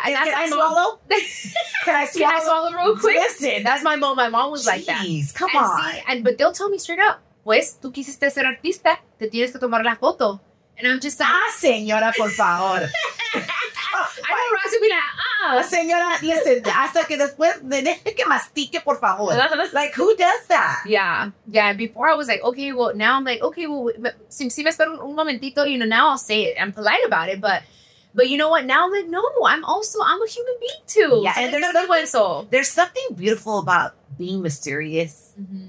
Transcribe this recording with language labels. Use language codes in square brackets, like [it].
[en] Can I swallow? Can I swallow real quick? Listen. That's my mom. My mom was Jeez, like that. Jeez, come on. But they'll tell me straight up, [es] pues, tú quisiste ser artista, te tienes que tomar la foto. [en] And I'm just like, [es] ah, señora, por favor. [en] I know Ross would be like, ah. [es] Señora, [en] listen, [es] hasta que después, deje que mastique, por favor. [en] Like, who does that? Yeah. Yeah, before I was like, okay, well, now I'm like, okay, well, [es] si me espero un momentito, [en] you know, now I'll say it. I'm polite about it, but you know what? Now I'm like, no, I'm a human being too. Yeah, so and there's something beautiful about being mysterious. Mm-hmm.